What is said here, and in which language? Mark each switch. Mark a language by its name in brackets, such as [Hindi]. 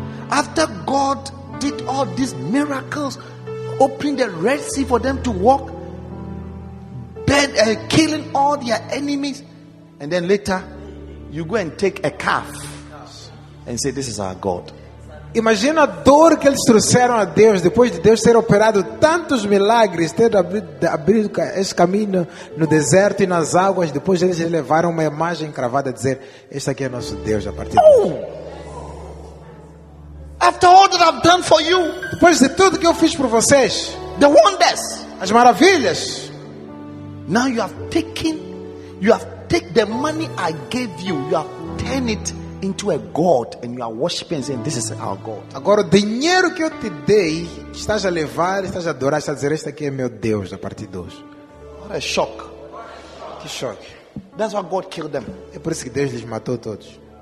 [English] After God did all these miracles, opening the Red Sea for them to walk, killing all their enemies, and then later you go and take a calf and say, "This is our God." [Portuguese] Imagina a dor que eles trouxeram a Deus depois de Deus ter operado tantos milagres, ter abrido esse caminho no deserto e nas águas. Depois eles levaram uma imagem cravada a dizer: "Este aqui é nosso Deus." A partir de... [English] After all that I've done for you, [Portuguese] depois de tudo que eu fiz por vocês, [English] the wonders, [Portuguese] as maravilhas, [English] now you have taken the money I gave you, you have turned it into a god, and you are worshiping, saying, "This is our God." [Portuguese] Agora, o dinheiro que eu te dei, estás a levar, estás a adorar, estás a dizer, "Este aqui é meu Deus." A partir de hoje, [English] what a shock! [Portuguese] Que choque! [English] That's why God killed them. [Portuguese] É por isso que Deus lhes matou todos.